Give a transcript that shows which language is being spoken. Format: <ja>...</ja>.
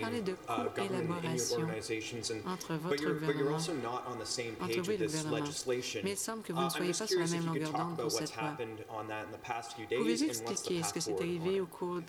<en>government and organizations, but you're also not on the same page with this legislation.</en> <fr>Mais il semble que vous ne soyez pas sur la même longueur d'onde pour cette loi.</fr> <en>Happened on that in the past few days, and what's the path forward?</en>